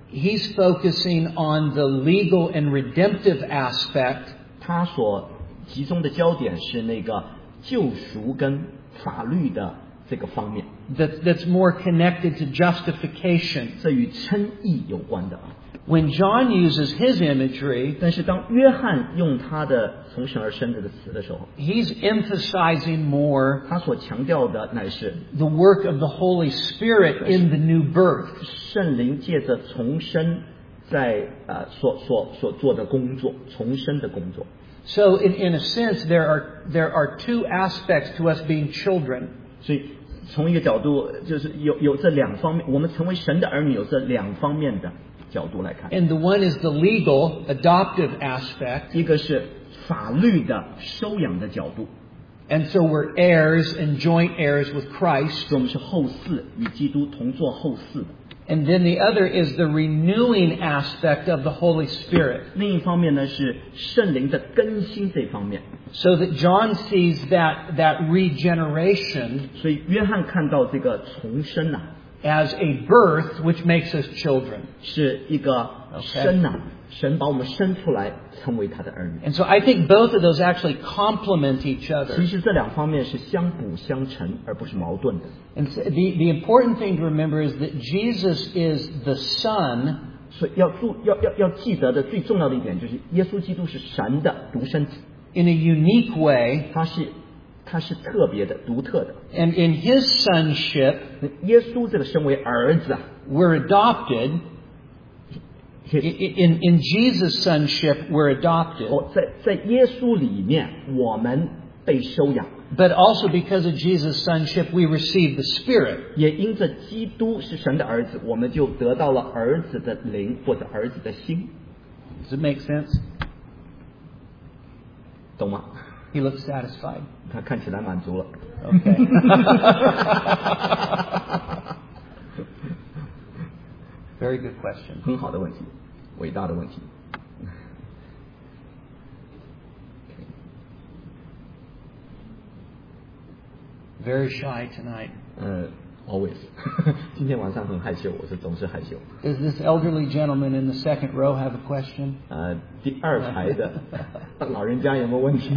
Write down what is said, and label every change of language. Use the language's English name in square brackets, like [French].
[English] he's focusing on the legal and redemptive aspect, [Chinese] 他所集中的焦点是那个救赎跟法律的, [English] That's more connected to justification. [Chinese] 这与称义有关的, [English] when John uses his imagery, [Chinese] 但是当约翰用他的从神而生这个词的时候, [English] he's emphasizing more [Chinese] 他所强调的乃是, [English] the work of the Holy Spirit in the new birth. [Chinese] 圣灵借着重生, 在所做的工作，重生的工作。 [English] So in a sense, there are two aspects to us being children. [Chinese] 所以从一个角度，就是有这两方面，我们成为神的儿女有这两方面的角度来看。 [English] And the one is the legal adoptive aspect. [Chinese] 一个是法律的收养的角度。 [English] And so we're heirs and joint heirs with Christ. [Chinese] 我们是后嗣，与基督同作后嗣。 [English] And then the other is the renewing aspect of the Holy Spirit. [Chinese] 另一方面呢，是圣灵的更新这方面。 [English] So that John sees that regeneration. [Chinese] 所以约翰看到这个重生啊。 [English] As a birth which makes us children. [Chinese] 是一个生啊。神把我们生出来成为他的儿女。 [English] And so I think both of those actually complement each other. [Chinese] 其实这两方面是相辅相成，而不是矛盾的。 [English] And so the important thing to remember is that Jesus is the Son. [Chinese] 所以要记得的最重要的一点就是耶稣基督是神的独生子。 [English] In a unique way. [Chinese] 他是特别的，独特的。 [English] And in his sonship. [Chinese] 耶稣这个身为儿子啊。 [English] We're adopted. In Jesus' sonship, we're adopted. [Chinese] 在耶稣里面，我们被收养。 [English] But also because of Jesus' sonship, we receive the Spirit. [Chinese] 也因着基督是神的儿子，我们就得到了儿子的灵或者儿子的心。 [English] Does it make sense? [Chinese] 懂吗？ [English] He looks satisfied. [Chinese] 他看起来满足了。 [English] Okay. Very good question. [Chinese] 很好的问题，伟大的问题。 [English] Very shy tonight. Always. [Chinese] 今天晚上很害羞，我是总是害羞。 [English] Does this elderly gentleman in the second row have a question? [Chinese] 第二排的老人家有没有问题？